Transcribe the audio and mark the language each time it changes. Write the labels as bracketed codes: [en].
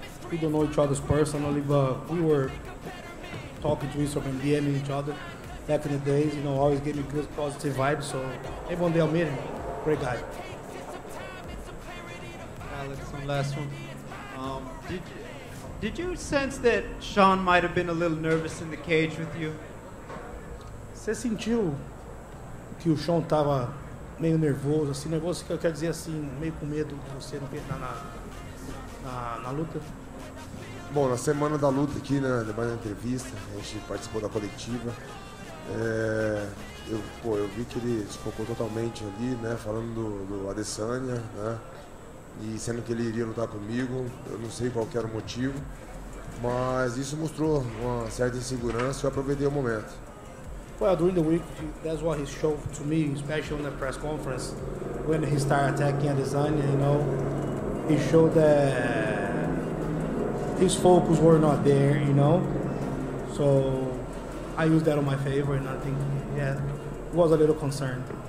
[en] We don't know each other personally, but we were talking to each other and DMing each other back in the days, you know, always gave me good positive vibes, so hey, one day I'll meet him. Great guy. Alex, one last one. Did you sense that Sean might have been a little nervous in the cage with you? [pt] Você sentiu que o Sean tava meio nervoso, assim, nervoso que eu quero dizer assim, meio com medo de você não perder na luta? Bom, na semana da luta aqui, né, depois da entrevista, a gente participou da coletiva. Eu vi que ele se focou totalmente ali, né, falando do Adesanya, né, e sendo que ele iria lutar comigo, eu não sei qual que era o motivo, mas isso mostrou uma certa insegurança e eu aproveitei o momento. [en] Well, during the week, that's what he showed to me, especially in the press conference, when he started attacking Adesanya, you know, he showed that his focus were not there, you know, so I used that on my favor, and I think, yeah, was a little concerned.